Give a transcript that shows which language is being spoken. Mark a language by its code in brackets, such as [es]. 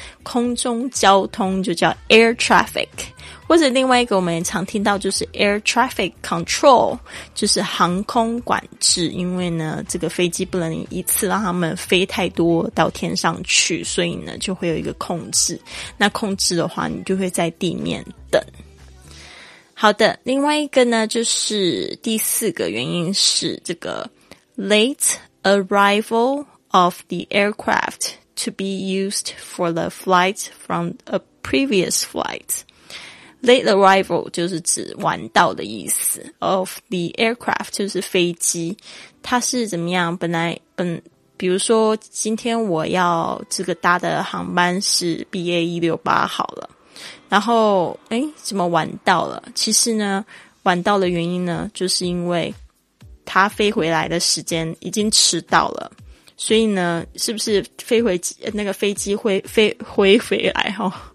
[zh] 空中交通就叫 air traffic。或者另外一个我们也常听到就是 air traffic control， 就是航空管制。因为呢这个飞机不能一次让他们飞太多到天上去，所以呢就会有一个控制。那控制的话你就会在地面等。好的，另外一个呢就是第四个原因是这个 [en] late arrival of the aircraft to be used for the flight from a previous flight. [zh] Late arrival 就是指晚到的意思， [en] of the aircraft [zh] 就是飞机，它是怎么样，比如说今天我要这个搭的航班是 BA168 好了，然后怎么晚到了，其实呢晚到的原因呢就是因为他飞回来的时间已经迟到了，所以呢是不是飞回那个飞机会飞回来、哦、